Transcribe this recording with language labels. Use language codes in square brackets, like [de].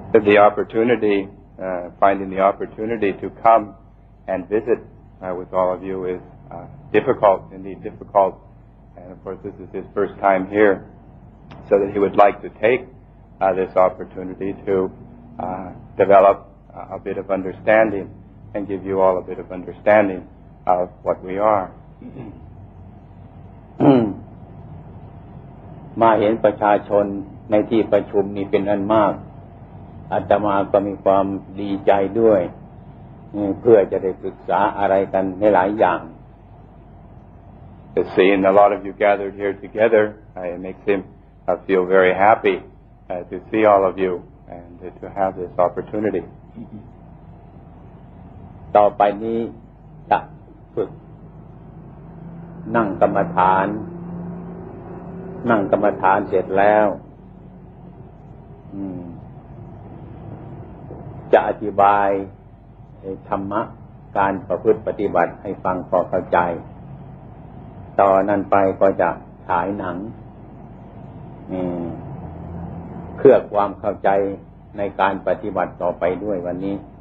[en] The opportunity finding the opportunity to come and visit with all of you is difficult indeed difficult and of course this is his first time here so that he would like to take this opportunity to develop a bit of understandingAnd give you all a bit of understanding of what we are. [th] มาเห็นประชาชนในที่ประชุมนี้เป็นอันมากอาตมาก็มีความดีใจด้วยเพื่อจะได้ศึกษาอะไรกันในหลายอย่าง [en] To see a lot of you gathered here together, it makes him feel very happy to see all of you and to have this opportunity. [th] ต่อไปนี้จะฝึกนั่งกรรมฐานนั่งกรรมฐานเสร็จแล้วจะอธิบายธรรมะการประพฤติปฏิบัติให้ฟังพอเข้าใจต่อนั้นไปก็จะฉายหนังเพื่อความเข้าใจในการปฏิบัติต่อไปด้วยวันนี้